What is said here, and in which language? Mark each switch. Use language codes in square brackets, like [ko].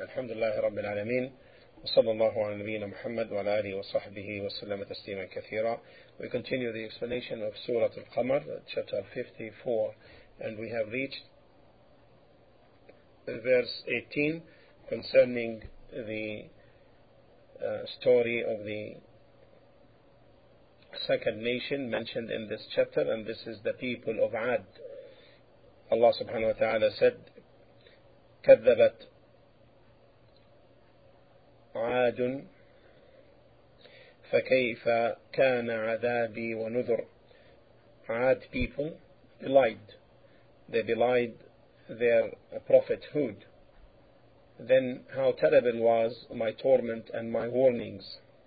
[ar] الحمد لله رب العالمين، وصلى الله على نبينا محمد وعلى آله وصحبه وسلم تسليما كثيرا. [en] We continue the explanation of Surah Al-Qamar, chapter 54, and we have reached verse 18 concerning the story of the second nation mentioned in this chapter, and this is the people of Ad. [ar] Allah subhanahu wa ta'ala said, كذبت عاد فكيف كان عذابي ونذر. [en] عاد people belied. They belied their prophethood. Then how terrible was my torment and my warnings.